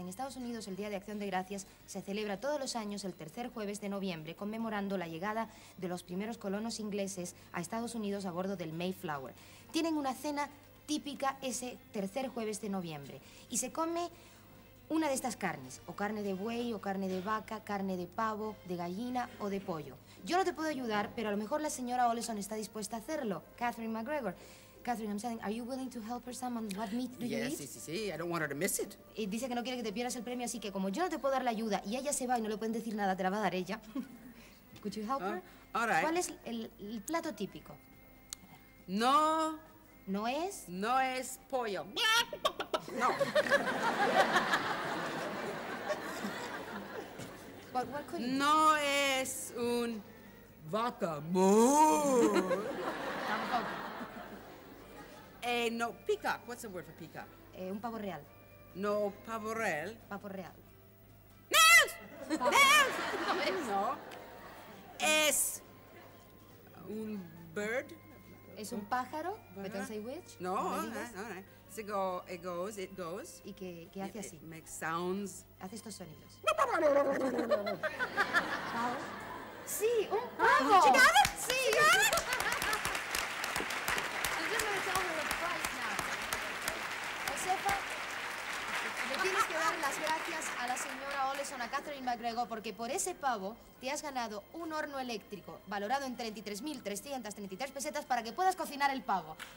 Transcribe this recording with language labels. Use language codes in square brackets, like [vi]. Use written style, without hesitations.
[es] En Estados Unidos el Día de Acción de Gracias se celebra todos los años el tercer jueves de noviembre conmemorando la llegada de los primeros colonos ingleses a Estados Unidos a bordo del Mayflower. Tienen una cena típica ese tercer jueves de noviembre y se come una de estas carnes, o carne de buey, o carne de vaca, carne de pavo, de gallina o de pollo. Yo no te puedo ayudar, pero a lo mejor la señora Olson está dispuesta a hacerlo. Catherine McGregor. [en] Catherine, I'm saying, are you willing to help her some on what meat do you eat? Sí. I don't want her to miss it. [es] Y dice que no quiere que te pierdas el premio, así que como yo no te puedo dar la ayuda y ella se va y no le pueden decir nada, te la va a dar ella. [en] Could you help her? All right. [es] ¿Cuál es el plato típico? No. ¿No es? No es pollo. No. [en] What could you [es] no es un vaca. Tampoco. [en] No, peacock. What's the word for peacock? [es] Un pavo real. No, pavo real. Pavo real. [en] ¡Nails! ¡Nails! [es] No es. No. Es un bird. ¿Es un pájaro? [en] But don't say which. No, all right, all right. So it goes. [es] ¿Y qué hace así? [en] It makes sounds. [es] Hace estos sonidos. Sí, un pavo. [en] She got it? [es] Sí. [en] She got it? I'm just going to tell her the price now. [es] Josefa, le tienes que dar las gracias a la señora Olson, a Catherine McGregor, porque por ese pavo te has ganado un horno eléctrico valorado en 33.333 pesetas para que puedas cocinar el pavo.